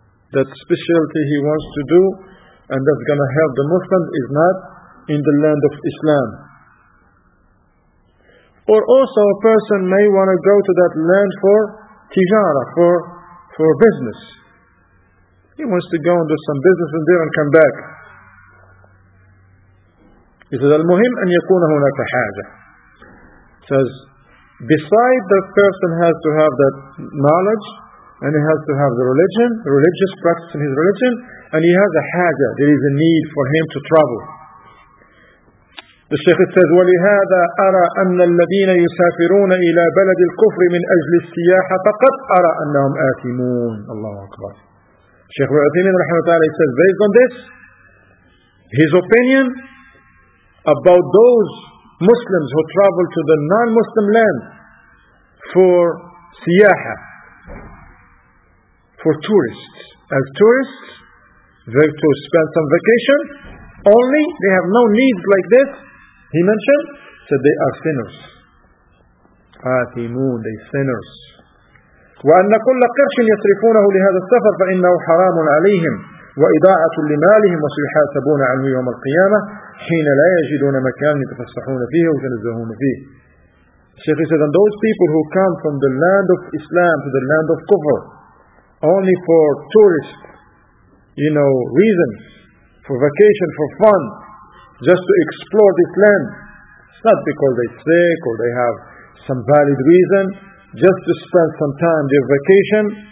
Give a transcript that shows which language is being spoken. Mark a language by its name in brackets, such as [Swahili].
[English] That specialty he wants to do and that's going to help the Muslims is not in the land of Islam. Or also a person may want to go to that land for tijara, for business. He wants to go and do some business and there and come back. He says, [Arabic] المهم أن يكون هناك حاجة. [English] Says, besides the person has to have that knowledge and he has to have the religion, religious practice in his religion, and he has a حاجة, there is a need for him to travel. The Shaykh says, [Arabic] ولهذا أرى أن الذين يسافرون إلى بلد الكفر من أجل السياحة فقط أرى أنهم آثمون. الله أكبر. [English] Shaykh Al-Uthaymeen [Arabic] رحمه الله [English] says, based on this, his opinion about those Muslims who travel to the non-Muslim land for siyaha, for tourists. As tourists, they're to spend some vacation, only they have no needs like this. He mentioned that they are sinners. Atimun, they sinners. [Arabic] وأن كل قرش يصرفونه لهذا السفر فإنه حرام عليهم وإضاعة لمالهم وسيحاسبون عنه يوم القيامة حين لا يجدون مكان يتفسحون فيه ويتنزهون فيه. [English] Sheikh said, and those people who come from the land of Islam to the land of Kufr only for tourist, you know, reasons, for vacation, for fun, just to explore this land. It's not because they're sick or they have some valid reason, just to spend some time, their vacation.